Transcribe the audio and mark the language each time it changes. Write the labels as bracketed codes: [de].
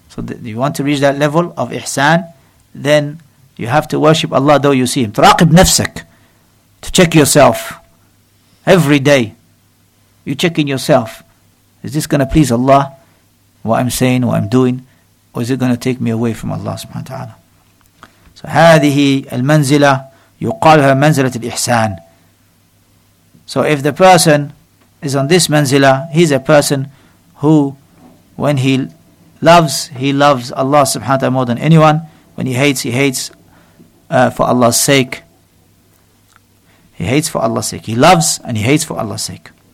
[en] So you want to reach that level of ihsan, then you have to worship Allah though you see Him. [ar] تراقب نفسك, [en] to check yourself every day. You're checking yourself. Is this going to please Allah, what I'm saying, what I'm doing, or is it going to take me away from Allah subhanahu wa ta'ala? So [ar] هذه المنزلة يقالها منزلة الإحسان. [en] So if the person is on this منزلة, he's a person who, when he loves Allah subhanahu wa ta'ala more than anyone. When he hates for Allah's sake. He hates for Allah's sake. He loves and he hates for Allah's sake.